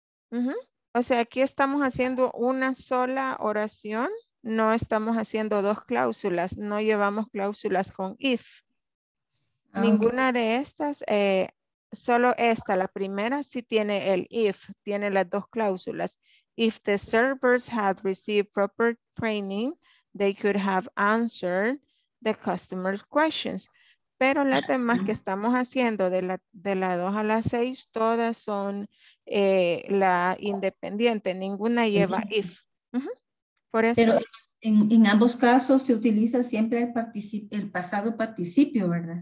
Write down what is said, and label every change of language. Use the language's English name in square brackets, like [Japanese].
[Spanish] Uh-huh. O sea, aquí estamos haciendo una sola oración. No estamos haciendo dos cláusulas, no llevamos cláusulas con if. Okay. Ninguna de estas, solo esta, la primera, sí tiene el if, tiene las dos cláusulas. [English] If the servers had received proper training, they could have answered the customer's questions. [Spanish] Pero las demás que estamos haciendo de la 2 a la 6, todas son la independiente, ninguna lleva if. Uh-huh. Por eso. Pero en ambos casos se utiliza siempre el pasado participio, ¿verdad?